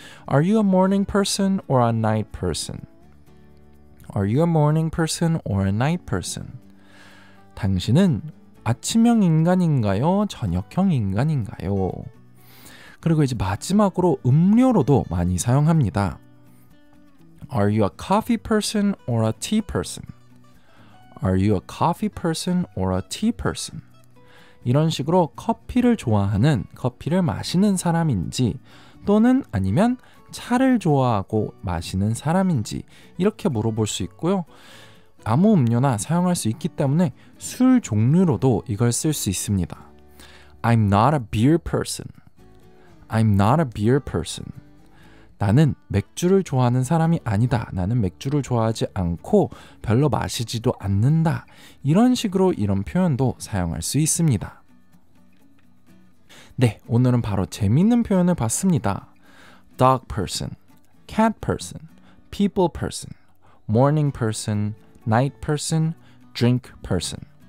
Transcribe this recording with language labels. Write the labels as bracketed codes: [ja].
[en] Are you a morning person or a night person? Are you a morning person or a night person? [ko] 당신은 아침형 인간인가요? 저녁형 인간인가요? 그리고 이제 마지막으로 음료로도 많이 사용합니다. [en] Are you a coffee person or a tea person? Are you a coffee person or a tea person? [ko] 이런 식으로 커피를 좋아하는, 커피를 마시는 사람인지 또는 아니면 차를 좋아하고 마시는 사람인지 이렇게 물어볼 수 있고요. 아무 음료나 사용할 수 있기 때문에 술 종류로도 이걸 쓸 수 있습니다. [en] I'm not a beer person. I'm not a beer person. [ko] 나는 맥주를 좋아하는 사람이 아니다. 나는 맥주를 좋아하지 않고 별로 마시지도 않는다. 이런 식으로 이런 표현도 사용할 수 있습니다. 네, 오늘은 바로 재밌는 표현을 봤습니다. [en] Dog person, cat person, people person, morning person, night person, drink person.